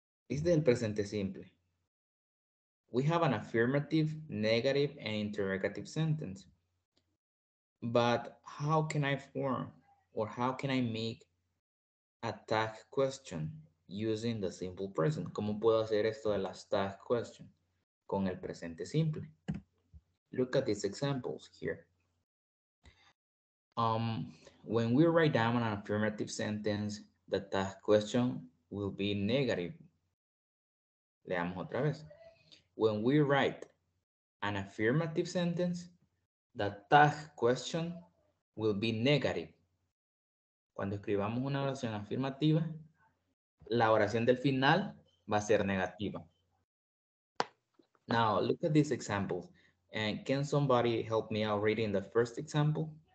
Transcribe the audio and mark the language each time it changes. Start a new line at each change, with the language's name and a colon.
Spanish: Este es el presente simple.
English: We have an affirmative, negative, and interrogative sentence. But how can I form or how can I make a tag question using the simple present?
Spanish: ¿Cómo puedo hacer esto de las tag question con el presente simple?
English: Look at these examples here. When we write down an affirmative sentence, the tag question will be negative.
Spanish: Leamos otra vez.
English: When we write an affirmative sentence, the tag question will be negative.
Spanish: Cuando escribamos una oración afirmativa, la oración del final va a ser negativa.
English: Now, look at this example. And can somebody help me out reading the first example?